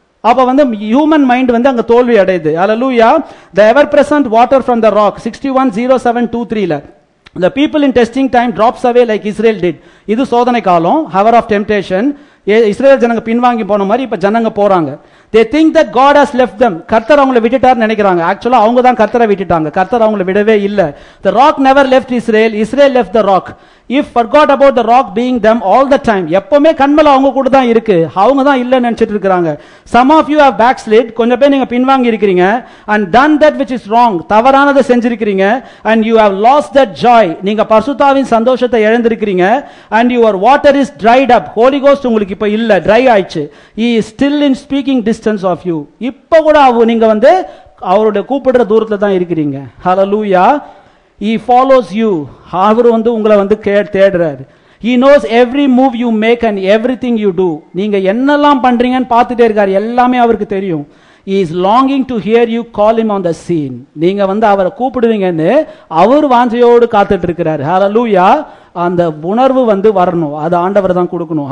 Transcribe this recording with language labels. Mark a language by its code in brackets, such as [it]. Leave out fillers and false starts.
[ta] அப்ப வந்து human mind வந்து அங்க தோல்வி அடையுது. ஹல்லேலூயா. தி எவர் present water from the rock 61:07-23 [en] The people in testing time drops away like Israel did. [ta] இது சோதனை காலம், [en] hour of temptation. [ta] இஸ்ரேல் ஜனங்க பின்வாங்கி போன மாதிரி இப்ப ஜனங்க போறாங்க. [en] They think that God has left them. [ta] கர்த்தர் அவங்களை விட்டுட்டார்னு நினைக்கிறாங்க. ஆக்சுவலா அவங்க தான் கர்த்தரை விட்டுட்டாங்க. கர்த்தர் அவங்களை விடவே இல்லை. [en] The rock never left Israel. Israel left the rock. If forgot about the rock being them all the time. [ta] எப்பவுமே கண்மல அவங்க கூட தான் இருக்கு, அவங்க தான் இல்லை நினைச்சிட்டு இருக்காங்க. [en] Some of you have backslid. [ta] கொஞ்சம் பேர் நீங்க பின்வாங்கி இருக்கிறீங்க. [en] And done that which is wrong. [ta] தவறானதை செஞ்சிருக்கிறீங்க. [en] And you have lost that joy. [ta] நீங்க பரிசுத்தாவின் சந்தோஷத்தை இழந்திருக்கிறீங்க. [en] And your water is dried up. Holy Ghost [ta] உங்களுக்கு இப்ப இல்ல, [en] dry ஆயிடுச்சு. He is still in speaking distance of you. [ta] இப்ப கூட நீங்க வந்து அவருடைய கூப்பிடுற தூரத்துல தான் இருக்கிறீங்க. Hallelujah. [en] He follows you. [ta] அவர் வந்து உங்களை வந்து தேடுறாரு. [en] He knows every move you make and everything you do. [ta] நீங்க என்னெல்லாம் பண்றீங்கன்னு பார்த்துட்டே இருக்காரு, எல்லாமே அவருக்கு தெரியும். [en] He is longing to hear you call him on the scene. [ta] நீங்க வந்து அவரை கூப்பிடுவீங்கன்னு அவர் வாஞ்சையோடு காத்துட்டு இருக்கிறார். [en] Hallelujah. [ta] அந்த உணர்வு வந்து வரணும், அது ஆண்டவர் தான் கொடுக்கணும்.